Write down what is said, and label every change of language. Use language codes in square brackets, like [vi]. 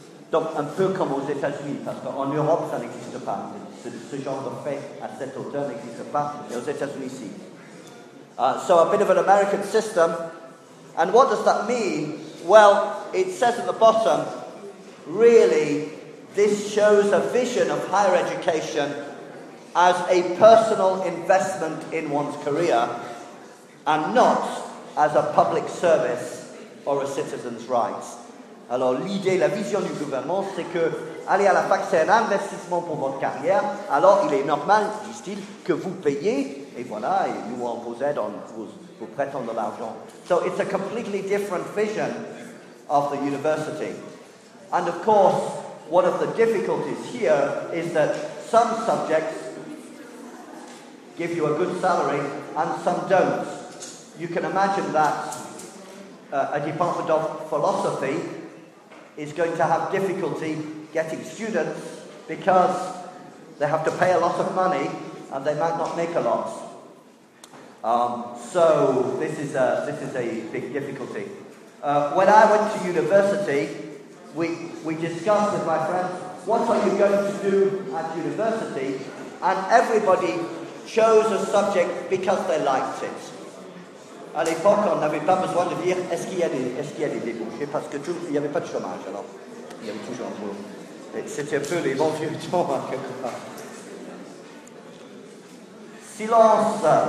[fr] Donc un peu comme aux États-Unis, parce qu'en Europe ça n'existe pas. Ce genre de fait à cette hauteur n'existe pas, mais aux États-Unis si. [en] So a bit of an American system. And what does that mean? Well, it says at the bottom, really, this shows a vision of higher education as a personal investment in one's career and not as a public service or a citizen's rights. [fr] Alors l'idée, la vision du gouvernement, c'est que aller à la fac, c'est un investissement pour votre carrière. Alors il est normal, disent-ils, que vous payiez, et voilà, et nous on vous aide, on vous prêtons de l'argent. [en] So it's a completely different vision of the university. And of course, one of the difficulties here is that some subjects give you a good salary and some don't. You can imagine that a department of philosophy is going to have difficulty getting students because they have to pay a lot of money and they might not make a lot. So this is a big difficulty. When I went to university, we discussed with my friends, what are you going to do at university? And everybody chose a subject because they liked it. [fr] À l'époque, on n'avait pas besoin de dire est-ce qu'il y a des débouchés, parce que tout, il n'y avait pas de chômage alors. Il y avait toujours un boulot. Et c'était un peu les bons vieux temps. Silence.